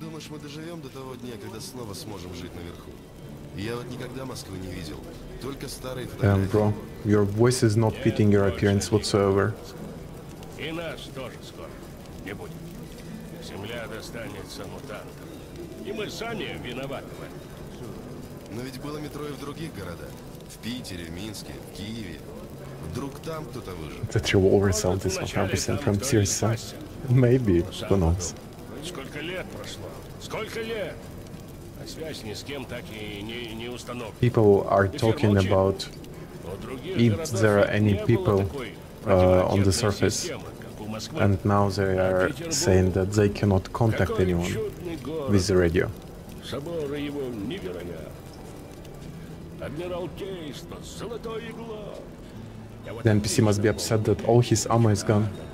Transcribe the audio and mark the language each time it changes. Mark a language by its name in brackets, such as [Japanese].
[Russian] Мы доживем до того дня, когда снова сможем жить наверху. Я вот никогда Москвы не видел, только старые фотографии. [English] Damn, bro, your voice is not fitting your appearance whatsoever. [Russian] И наш тоже скоро не будет. Земля достанется мутантам, и мы сами виноваты в этом. Но ведь было метро и в других городах, в Питере, в Минске, в Киеве. Вдруг там кто-то выжил. [English] That revolver sound is 100% from Serious Sam. Maybe, who knows? [Russian] Сколько лет прошло? Сколько лет? А связь ни с кем так и не установлена. [English] People are talking about if there are any people on the surface, and now they are saying that they cannot contact anyone with the radio. [Russian] Соборы его невероятны. Адмиралтейство, золотое игло. [English] The NPC must be upset that all his ammo is gone.